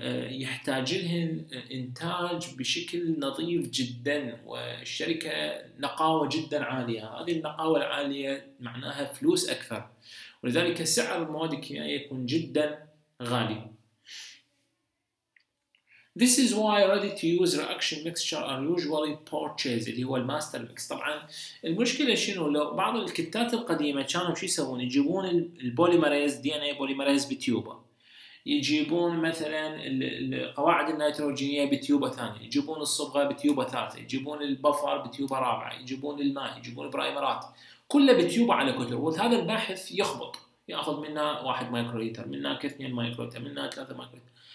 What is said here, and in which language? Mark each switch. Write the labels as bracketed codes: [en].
[ar] يحتاج لهن إنتاج بشكل نظيف جدا، والشركة نقاوة جدا عالية، هذه النقاوة العالية معناها فلوس أكثر، ولذلك سعر المواد الكيميائية يكون جدا غالي. [en] This is why ready-to-use reaction mixture are usually purchased. [ar] اللي هو الماستر ميكس. طبعا المشكلة شنو؟ لو بعض الكتات القديمة كانوا شو يسوون؟ يجيبون البوليمريز دي ان اي بوليمريز بتيوبا، يجيبون مثلا القواعد النيتروجينية بتيوبا ثانية، يجيبون الصبغة بتيوبا ثالثة، يجيبون البفر بتيوبا رابعة، يجيبون الماء، يجيبون البرايمرات، كله بتيوبا على كتر، وهذا الباحث يخبط، ياخذ منها 1 مايكرو لتر، منها 2 مايكرو لتر، منها 3 مايكرو لتر.